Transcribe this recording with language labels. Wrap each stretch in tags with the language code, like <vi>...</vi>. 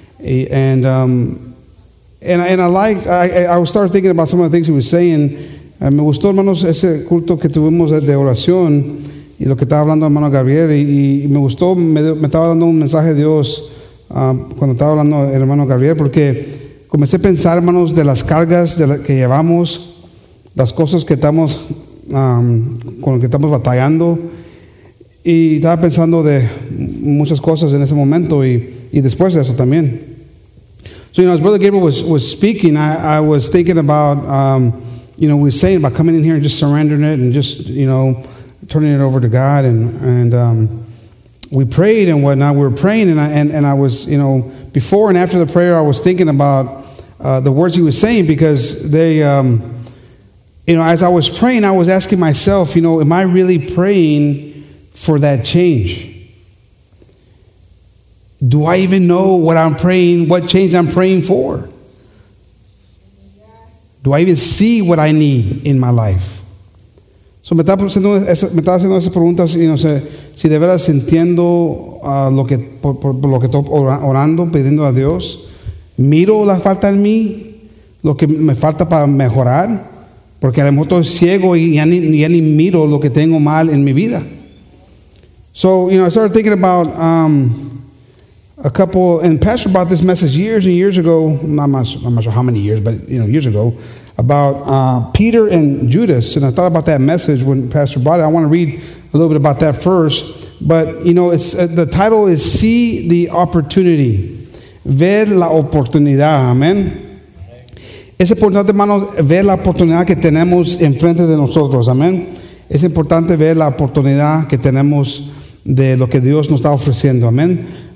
<en>And I started thinking about some of the things he was saying.</en> <es>Me gustó, hermanos, ese culto que tuvimos de oración y lo que estaba hablando hermano Gabriel, y me gustó, me estaba dando un mensaje de Dios cuando estaba hablando el hermano Gabriel, porque comencé a pensar, hermanos, de las cargas que llevamos, las cosas que estamos, con las que estamos batallando. Y estaba pensando de muchas cosas en ese momento y después de eso también.</es> <en>So, you know, as Brother Gabriel was speaking, I was thinking about, you know, we were saying about coming in here and just surrendering it and just, you know, turning it over to God. And we prayed and whatnot. We were praying, and I was, you know, before and after the prayer, I was thinking about the words he was saying, because they, you know, as I was praying, I was asking myself, you know, am I really praying for that change? Do I even know what I'm praying, what change I'm praying for? Do I even see what I need in my life?</en> <es>So me estaba haciendo esas preguntas,</es> <en>you know,</en> <es>si de veras entiendo lo que estoy orando, pidiendo a Dios. Miro la falta en mí, lo que me falta para mejorar, porque a lo mejor estoy ciego y ya ni miro lo que tengo mal en mi vida.</es> <en>So, you know, I started thinking about a couple, and Pastor brought this message years and years ago, I'm not sure how many years, but, you know, years ago, about Peter and Judas. And I thought about that message when Pastor brought it. I want to read a little bit about that first. But, you know, it's the title is See the Opportunity.</en> <es>Ver la oportunidad, amén. Es importante, hermano, ver la oportunidad que tenemos enfrente de nosotros, amén. Es importante ver la oportunidad que tenemos de lo que Dios nos está ofreciendo, amén.</es>